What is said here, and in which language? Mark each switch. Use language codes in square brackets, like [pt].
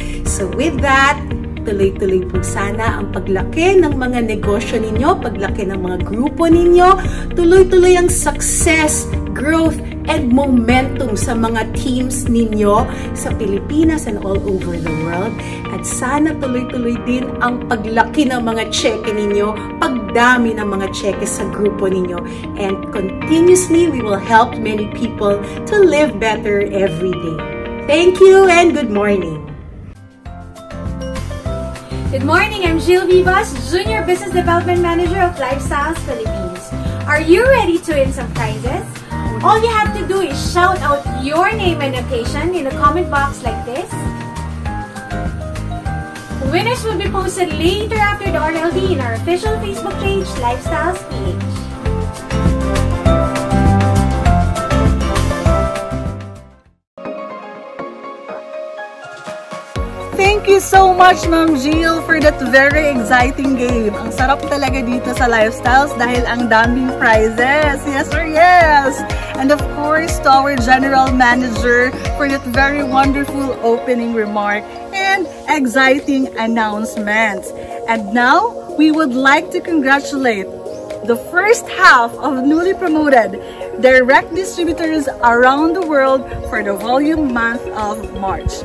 [tl] So with that, tuloy-tuloy po sana ang paglaki ng mga negosyo ninyo, paglaki ng mga grupo ninyo, tuloy-tuloy ang [en] success, growth, and momentum [tl] sa mga teams ninyo sa Pilipinas [en] and all over the world. [tl] At sana tuloy-tuloy din ang paglaki ng mga cheque ninyo, pagdami ng mga cheque sa grupo ninyo. [en] And continuously, we will help many people to live better every day. Thank you and good morning! Good morning, I'm Jill Vivas, Junior Business Development Manager of Lifestyles Philippines. Are you ready to win some prizes? All you have to do is shout out your name and location in a comment box like this. Winners will be posted later after the RLD in our official Facebook page, Lifestyles PH. Thank you so much, Ma'am Jill, for that very exciting game. [tl] Ang sarap talaga dito sa Lifestyles dahil ang daming prizes. [en] Yes or yes? And of course, to our general manager for that very wonderful opening remark and exciting announcement. And now, we would like to congratulate the first half of newly promoted direct distributors around the world for the volume month of March.